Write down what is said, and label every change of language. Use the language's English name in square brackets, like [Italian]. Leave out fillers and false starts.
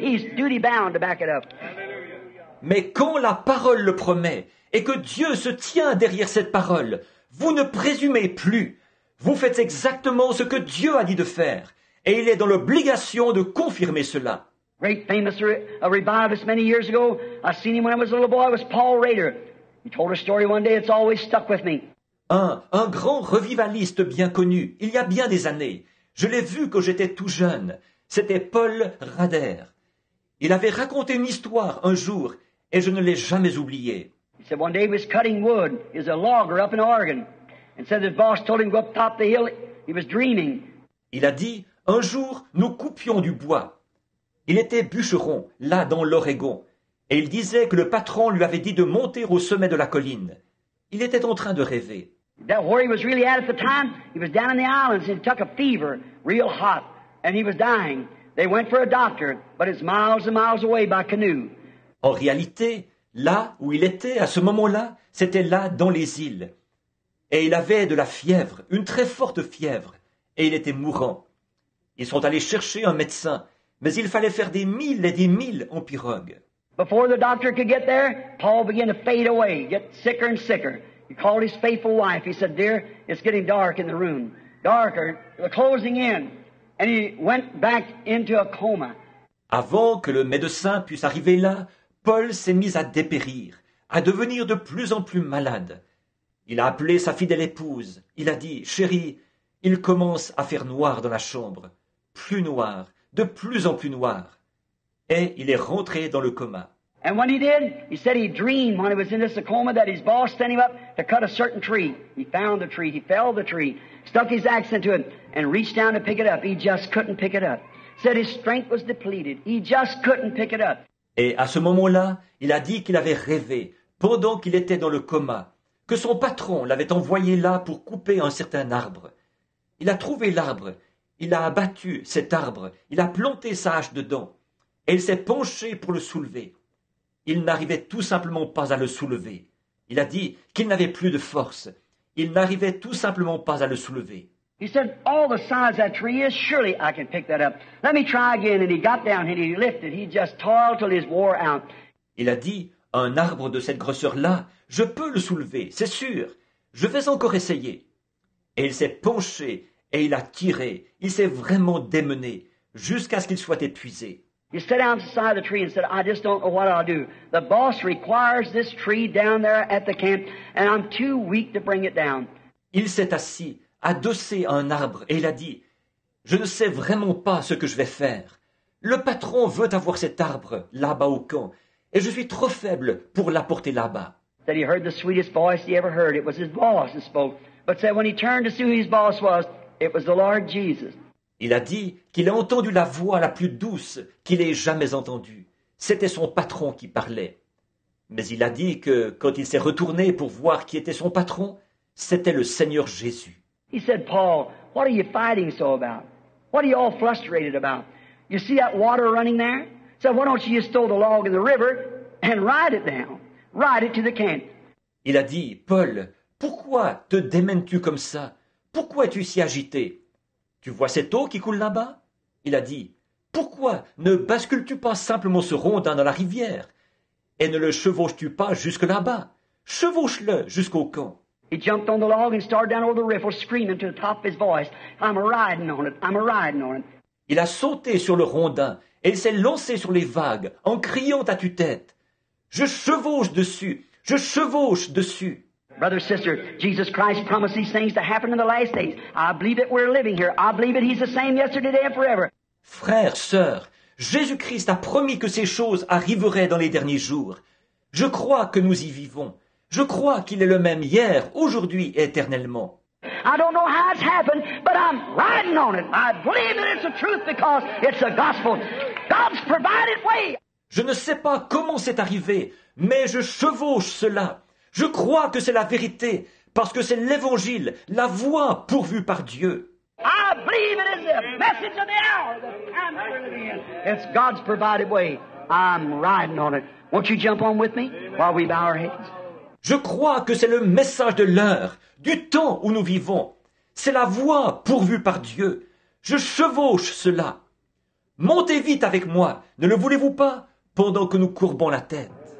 [English] He's duty bound to back it up. [French] Mais quand la parole le promet et que Dieu se tient derrière cette parole, vous ne présumez plus. Vous faites exactement ce que Dieu a dit de faire. Et il est dans l'obligation de confirmer cela. [English] Great famous revivalist many years ago. I seen him when I was a little boy. It was Paul Rader. He told a story one day. It's always stuck with me. [French] Un grand revivaliste bien connu, il y a bien des années. Je l'ai vu quand j'étais tout jeune. C'était Paul Rader. Il avait raconté une histoire un jour et je ne l'ai jamais oublié. [English] He said one day he was cutting wood. He was a logger up in Oregon. And said his boss told him to go up top the hill. He was dreaming. [French] Il a dit, un jour, nous coupions du bois. Il était bûcheron, là dans l'Oregon, et il disait que le patron lui avait dit de monter au sommet de la colline. Il était en train de rêver. [English] That where he was really at the time, he was down in the islands and took a fever, real hot, and he was dying. They went for a doctor, but it's miles and miles away by canoe. [French] En réalité, là où il était à ce moment-là, c'était là dans les îles. Et il avait de la fièvre, une très forte fièvre, et il était mourant. Ils sont allés chercher un médecin, mais il fallait faire des milles et des milles en pirogue. [English] Before the doctor could get there, Paul began to fade away, get sicker and sicker. He called his faithful wife. He said, "Dear, it's getting dark in the room. Darker, the closing in." And he went back into a coma. [French] Avant que le médecin puisse arriver là, Paul s'est mis à dépérir, à devenir de plus en plus malade. Il a appelé sa fidèle épouse. Il a dit, « Chérie, il commence à faire noir dans la chambre. Plus noir, de plus en plus noir. » Et il est rentré dans le coma. [English] And when he did, he said he dreamed when he was in this coma that his boss sent him up to cut a certain tree. He found the tree, he fell the tree, stuck his axe into it, and reached down to pick it up. He just couldn't pick it up. Said his strength was depleted. He just couldn't pick it up. [French] Et à ce moment-là, il a dit qu'il avait rêvé pendant qu'il était dans le coma, que son patron l'avait envoyé là pour couper un certain arbre. Il a trouvé l'arbre, il a abattu cet arbre, il a planté sa hache dedans, et il s'est penché pour le soulever. Il n'arrivait tout simplement pas à le soulever. Il a dit qu'il n'avait plus de force. Il n'arrivait tout simplement pas à le soulever. [English] He said, all the size of that tree is, surely I can pick that up. Let me try again. And he got down and he lifted. He just toiled till he wore out. [French] Il a dit, un arbre de cette grosseur-là, je peux le soulever, c'est sûr. Je vais encore essayer. Et il s'est penché et il a tiré. Il s'est vraiment démené jusqu'à ce qu'il soit épuisé. [English] He sat down beside the tree and said, I just don't know what I'll do. The boss requires this tree down there at the camp and I'm too weak to bring it down. [French] Il s'est assis, adossé à un arbre et il a dit, je ne sais vraiment pas ce que je vais faire. Le patron veut avoir cet arbre là-bas au camp et je suis trop faible pour l'apporter là-bas. [English] That he heard the sweetest voice he ever heard. It was his boss who spoke. But said when he turned to see who his boss was, it was the Lord Jesus. [French] Il a dit qu'il a entendu la voix la plus douce qu'il ait jamais entendue. C'était son patron qui parlait. Mais il a dit que quand il s'est retourné pour voir qui était son patron, c'était le Seigneur Jésus. [English] He said, Paul, what are you fighting so about? What are you all frustrated about? You see that water running there? He said, why don't you just throw the log in the river and ride it down? Ride it to the camp. [French] Il a dit, Paul, pourquoi te démènes-tu comme ça? Pourquoi es-tu si agité? Tu vois cette eau qui coule là-bas? Il a dit, pourquoi ne bascules-tu pas simplement ce rondin dans la rivière et ne le chevauches-tu pas jusque là-bas? Chevauche-le jusqu'au camp. [English] He jumped on the log and started down over the riffle, screaming to the top of his voice, I'm a riding on it, I'm a riding on it. [French] Il a sauté sur le rondin et il s'est lancé sur les vagues en criant à tue-tête. Je chevauche dessus. Je chevauche dessus. [English] Brother, sister, Jesus Christ promised these things to happen in the last days. I believe it. We're living here. I believe it. He's the same yesterday, today, and forever. [French] Frère, sœur, Jésus-Christ a promis que ces choses arriveraient dans les derniers jours. Je crois que nous y vivons. Je crois qu'il est le même hier, aujourd'hui et éternellement. [English] I don't know how it's happened, but I'm riding on it. I believe that it's the truth because it's the gospel. God's provided way. [French] Je ne sais pas comment c'est arrivé, mais je chevauche cela. Je crois que c'est la vérité, parce que c'est l'évangile, la voie pourvue par Dieu. [English] I believe it is the message of the hour. It's God's provided way. I'm riding on it. Won't you jump on with me while we bow our heads? [French] Je crois que c'est le message de l'heure, du temps où nous vivons. C'est la voie pourvue par Dieu. Je chevauche cela. Montez vite avec moi, ne le voulez-vous pas, pendant que nous courbons la tête.